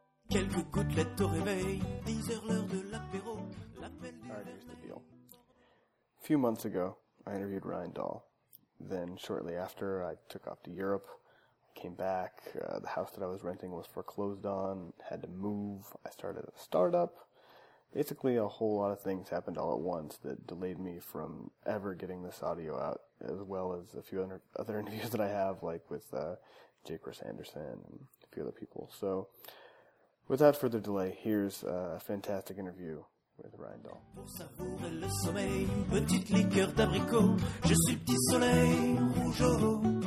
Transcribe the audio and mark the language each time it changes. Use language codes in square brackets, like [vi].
[fr] Quelques gouttelettes au réveil, 10h l'heure de l'apéro, l'appel du... [en] All right, here's the deal. A few months ago, I interviewed Ryan Dahl. Then, shortly after, I took off to Europe, came back, the house that I was renting was foreclosed on, had to move, I started a startup. Basically, a whole lot of things happened all at once that delayed me from ever getting this audio out, as well as a few other interviews that I have, like with J. Chris Anderson and a few other people. So, without further delay, here's a fantastic interview with Ryan Dahl. [fr] Pour savourer le sommeil, une petite liqueur d'abricot, je suis le petit soleil, rougeau.